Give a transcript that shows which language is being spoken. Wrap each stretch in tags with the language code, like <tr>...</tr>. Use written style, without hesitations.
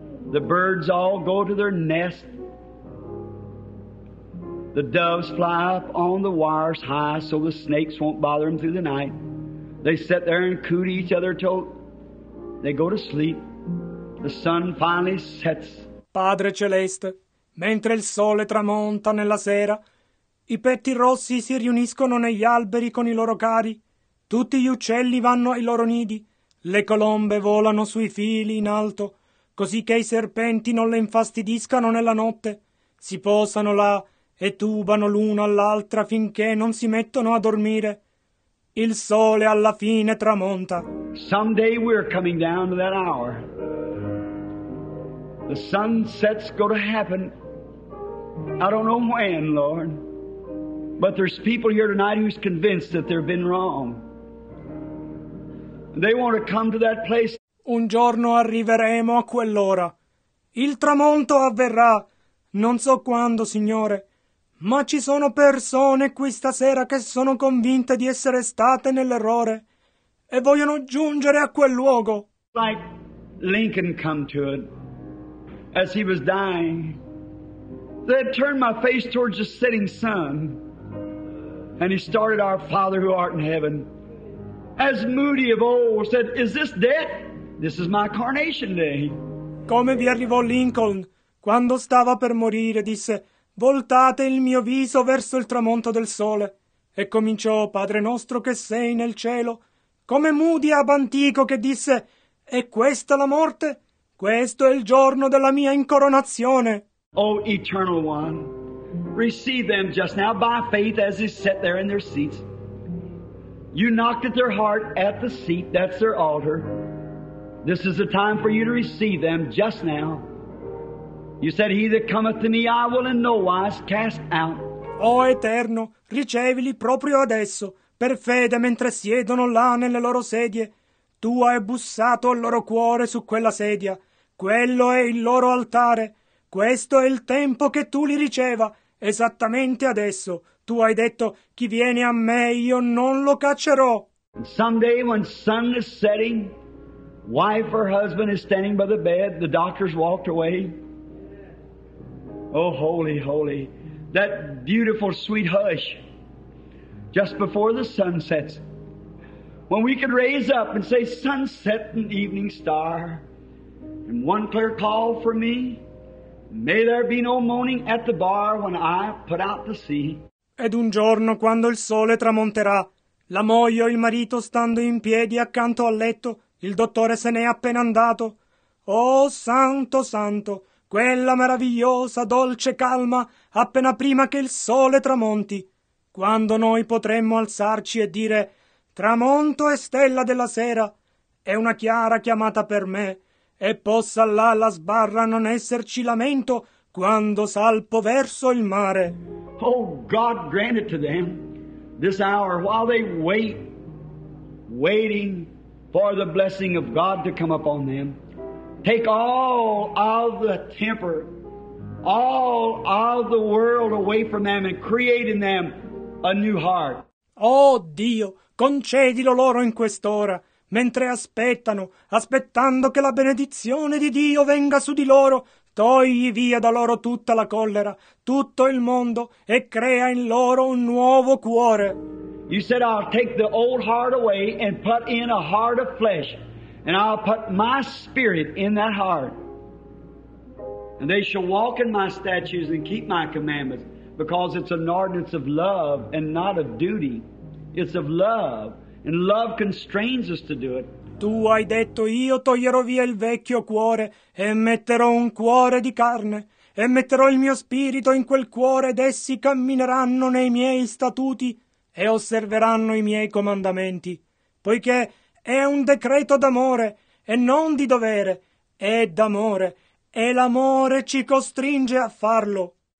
<en>The birds all go to their nest. The doves fly up on the wires high so the snakes won't bother them through the night. They sit there and coo to each other till they go to sleep. The sun finally sets.</en> <it>Padre Celeste, mentre il sole tramonta nella sera, i petti rossi si riuniscono negli alberi con i loro cari. Tutti gli uccelli vanno ai loro nidi. Le colombe volano sui fili in alto. Così che i serpenti non le infastidiscano nella notte, si posano là e tubano l'una all'altra finché non si mettono a dormire. Il sole alla fine tramonta.</it> <en>Someday we're coming down to that hour. The sunset's gonna happen. I don't know when, Lord. But there's people here tonight who's convinced that they've been wrong. They want to come to that place.</en> <it>Un giorno arriveremo a quell'ora. Il tramonto avverrà. Non so quando, Signore, ma ci sono persone qui stasera che sono convinte di essere state nell'errore e vogliono giungere a quel luogo.</it> <en>Like Lincoln come to it as he was dying. They turned my face towards the setting sun and he started, our Father who art in heaven, as Moody of old said, is this death? This is my coronation day.</en> <it>Come vi arrivò Lincoln quando stava per morire, disse: voltate il mio viso verso il tramonto del sole. E cominciò, Padre nostro che sei nel cielo, come Moody ab antico che disse: è questa la morte? Questo è il giorno della mia incoronazione.</it> <en>O Eternal One, receive them just now by faith as they sit there in their seats. You knocked at their heart at the seat, that's their altar. This is the time for you to receive them just now. You said, he that cometh to me, I will in no wise cast out.</en> <it>O Eterno, ricevili proprio adesso, per fede mentre siedono là nelle loro sedie. Tu hai bussato il loro cuore su quella sedia. Quello è il loro altare. Questo è il tempo che tu li riceva, esattamente adesso. Tu hai detto, chi viene a me, io non lo caccerò.</it> <en>Someday when sun is setting, wife or husband is standing by the bed, the doctor's walked away. Oh, holy, holy, that beautiful, sweet hush just before the sun sets. When we could raise up and say, sunset and evening star, and one clear call for me, may there be no moaning at the bar when I put out the sea.</en> <it>Ed un giorno, quando il sole tramonterà, la moglie o il marito stando in piedi accanto al letto, il dottore se n'è appena andato. Oh, santo, santo, quella meravigliosa, dolce calma appena prima che il sole tramonti. Quando noi potremmo alzarci e dire, tramonto è stella della sera, è una chiara chiamata per me, e possa là la sbarra non esserci lamento quando salpo verso il mare.</it> <en>Oh, God, grant it to them, this hour, while they wait, waiting, for the blessing of God to come upon them. Take all of the temper, all of the world away from them and create in them a new heart.</en> <it>Oh Dio, concedilo loro in quest'ora, mentre aspettano, aspettando che la benedizione di Dio venga su di loro, togli via da loro tutta la collera, tutto il mondo, e crea in loro un nuovo cuore.</it> <en>You said, I'll take the old heart away and put in a heart of flesh, and I'll put my spirit in that heart. And they shall walk in my statutes and keep my commandments, because it's an ordinance of love and not of duty. It's of love, and love constrains us to do it.</en> <it>Tu hai detto, io toglierò via il vecchio cuore e metterò un cuore di carne. e metterò il mio spirito in quel cuore ed essi cammineranno nei miei statuti e osserveranno i miei comandamenti, poiché è un decreto d'amore e non di dovere, è d'amore e l'amore ci costringe a farlo.</it>